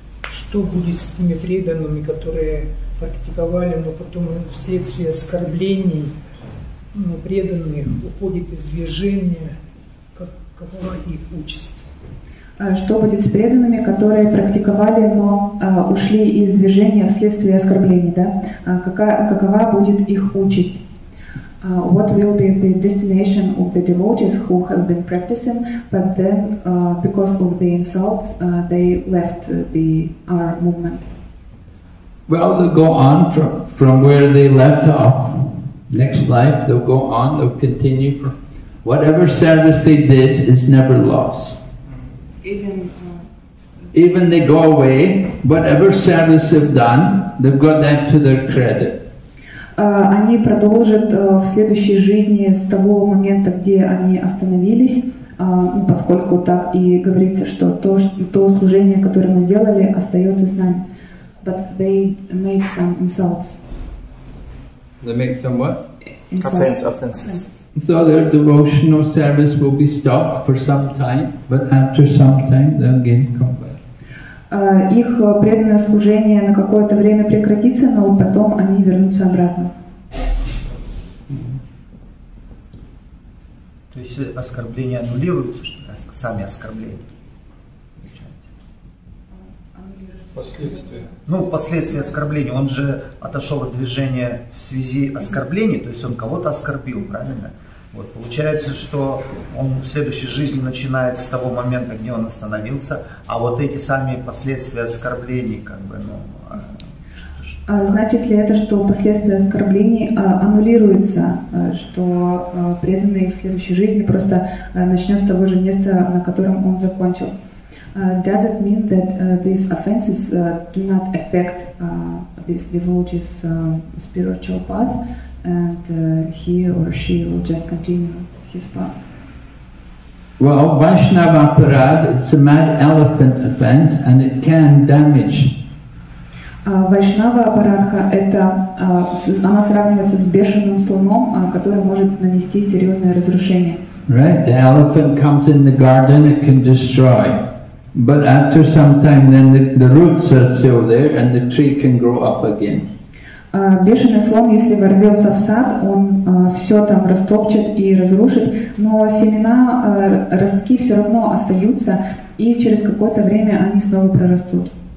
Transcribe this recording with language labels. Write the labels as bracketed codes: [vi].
[ru] Что будет с теми преданными, которые практиковали, но потом вследствие оскорблений преданных уходит из движения, какова их участь? Что будет с преданными, которые практиковали, но ушли из движения вследствие оскорблений, да? Какова будет их участь? [en] What will be the destination of the devotees who have been practicing, but then because of the insults, they left the our movement? Well, they'll go on from where they left off. Next life, they'll go on, they'll continue. Whatever service they did is never lost. Even they go away, whatever service they've done, they've got that to their credit. [ru] Они продолжат в следующей жизни с того момента, где они остановились, ну, поскольку так и говорится, что то служение, которое мы сделали, остается с нами. [en] But they make some insults. They make some what? Offenses. So their devotional service will be stopped for some time, but after some time they'll again come back. [ru] Их преданное служение на какое-то время прекратится, но потом они вернутся обратно. То есть оскорбления аннулируются, что сами оскорбления? Последствия. Ну, последствия оскорбления. Он же отошел от движения в связи оскорблений, то есть он кого-то оскорбил, правильно? Вот, получается, что он в следующей жизни начинает с того момента, где он остановился, а вот эти сами последствия оскорблений, как бы, ну... Значит ли это, что последствия оскорблений аннулируются, что преданный в следующей жизни просто начнет с того же места, на котором он закончил? [en] Does it mean that these offenses do not affect this devotee's spiritual path? And he or she will just continue his path. Well, Vaishnava Parad is a mad elephant offense, and it can damage. [ru] Vaishnava Paradha это она сравнивается с бешеным слоном, который может нанести серьезное разрушение. [en] Right, the elephant comes in the garden, it can destroy. But after some time, then the roots are still there, and the tree can grow up again. [ru] Бешеный слон, если ворвется в сад, он все там растопчет и разрушит, но семена, ростки все равно остаются, и через какое-то время они снова прорастут.